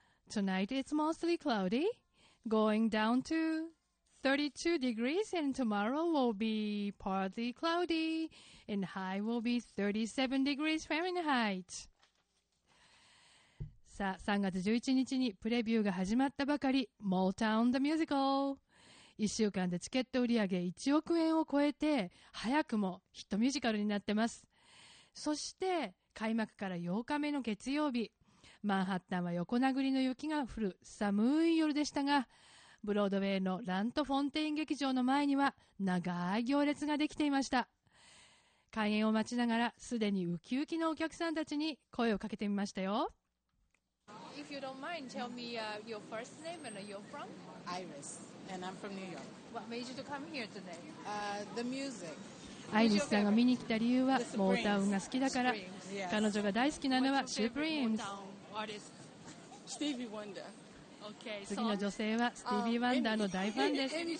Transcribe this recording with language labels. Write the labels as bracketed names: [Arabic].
[English] Tonight it's mostly cloudy, going down to 32 degrees, and tomorrow will be partly cloudy, and high will be 37 degrees Fahrenheit. [Japanese] さあ、3月11日にプレビューが始まったばかり、Motown The Musical。 1週間でチケット売上1億円を超えて、早くもヒットミュージカルになってます。そして、開幕から8日目の月曜日、マンハッタンは横殴りの雪が降る寒い夜でしたが、ブロードウェイのラントフォンテイン劇場の前には長い行列ができていました。開演を待ちながら、すでにウキウキのお客さんたちに声をかけてみましたよ。 [English] If you don't mind, tell me your first name and you're from? Iris, and I'm from New York. What made you to come here today? The music. [Japanese] アイリスさんが見に来た理由は、モータウンが好きだから。 [English] Yes. [Japanese] 彼女が大好きなのは、Supremes。 [English] Stevie Wonder。 [Japanese] 次の女性はスティービー・ワンダーの大ファンです。